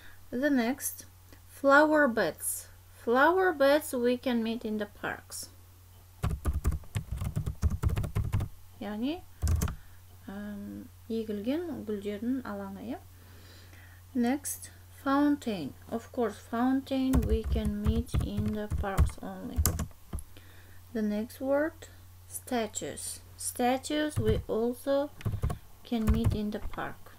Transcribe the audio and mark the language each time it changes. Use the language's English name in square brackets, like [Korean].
[English] The next, flower beds. Flower beds we can meet in the parks. [Kazakh] Яғни егілген гүлдердің алаңы. [English] Next, fountain. Of course, fountain we can meet in the parks only. The next word, statues. Statues we also can meet in the park.